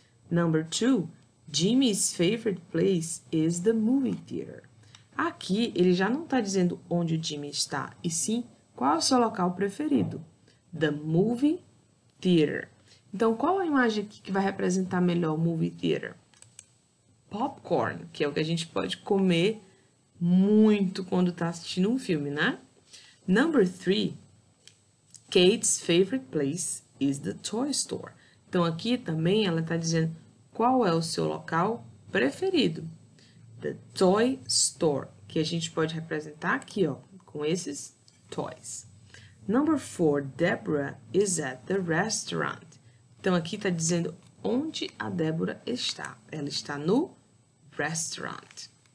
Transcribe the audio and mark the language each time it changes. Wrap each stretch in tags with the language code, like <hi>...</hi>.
<en>Number two, Jimmy's favorite place is the movie theater.</en> <pt>Aqui, ele já não está dizendo onde o Jimmy está, e sim, qual é o seu local preferido? The movie theater. Então, qual a imagem aqui que vai representar melhor o movie theater? Popcorn, que é o que a gente pode comer muito quando está assistindo um filme, né?</pt> <en>Number three, Kate's favorite place is the toy store.</en> <pt>Então, aqui também ela está dizendo qual é o seu local preferido. The toy store, que a gente pode representar aqui, ó, com esses toys.</pt> <en>Number four, Deborah is at the restaurant.</en> <pt>Então, aqui está dizendo onde a Deborah está. Ela está no restaurant.</pt>